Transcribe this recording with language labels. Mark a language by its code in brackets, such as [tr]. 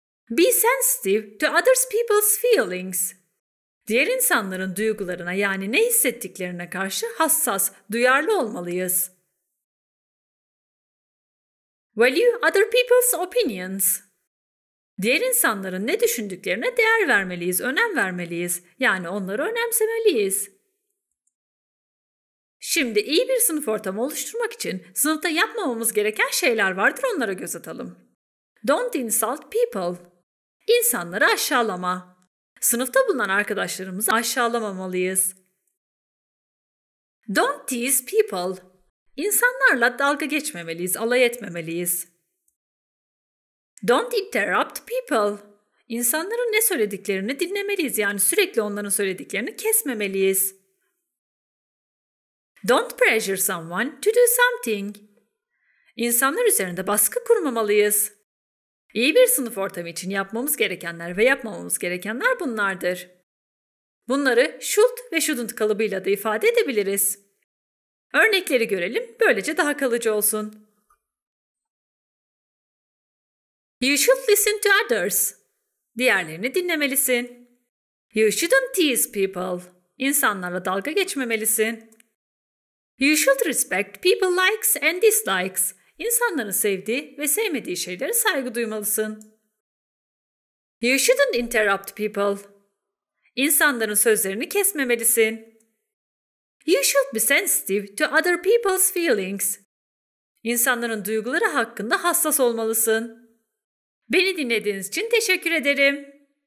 [en] Be sensitive to other people's feelings. [tr] Diğer insanların duygularına yani ne hissettiklerine karşı hassas, duyarlı olmalıyız. [en] Value other people's opinions. [tr] Diğer insanların ne düşündüklerine değer vermeliyiz, önem vermeliyiz. Yani onları önemsemeliyiz. Şimdi iyi bir sınıf ortamı oluşturmak için sınıfta yapmamamız gereken şeyler vardır, onlara göz atalım. [en] Don't insult people. [tr] İnsanları aşağılama. Sınıfta bulunan arkadaşlarımızı aşağılamamalıyız. [en] Don't tease people. [tr] İnsanlarla dalga geçmemeliyiz, alay etmemeliyiz. [en] Don't interrupt people. [tr] İnsanların ne söylediklerini dinlemeliyiz, yani sürekli onların söylediklerini kesmemeliyiz. [en] Don't pressure someone to do something. [tr] İnsanlar üzerinde baskı kurmamalıyız. İyi bir sınıf ortamı için yapmamız gerekenler ve yapmamamız gerekenler bunlardır. Bunları should ve shouldn't kalıbıyla da ifade edebiliriz. Örnekleri görelim, böylece daha kalıcı olsun. [en] You should listen to others. [tr] Diğerlerini dinlemelisin. [en] You shouldn't tease people. [tr] İnsanlarla dalga geçmemelisin. [en] You should respect people likes and dislikes. [tr] İnsanların sevdiği ve sevmediği şeylere saygı duymalısın. [en] You shouldn't interrupt people. [tr] İnsanların sözlerini kesmemelisin. [en] You should be sensitive to other people's feelings. [tr] İnsanların duyguları hakkında hassas olmalısın. Beni dinlediğiniz için teşekkür ederim.